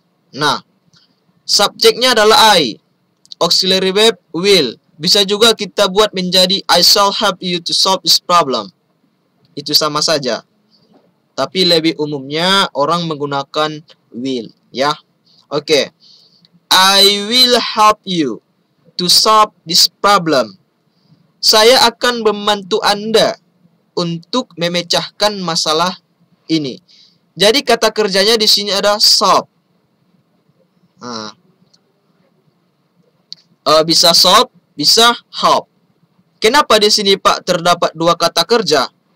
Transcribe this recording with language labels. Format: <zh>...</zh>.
<id>Nah, subjeknya adalah I, auxiliary verb will. Bisa juga kita buat menjadi</id> <en>I shall help you to solve this problem.</en> <id>Itu sama saja. Tapi lebih umumnya orang menggunakan will, ya. Oke.</id> <en>Okay. I will help you to solve this problem.</en> <id>Saya akan membantu Anda untuk memecahkan masalah ini. Jadi kata kerjanya di sini ada solve. Bisa solve, bisa help. Kenapa di sini Pak terdapat dua kata kerja?</id>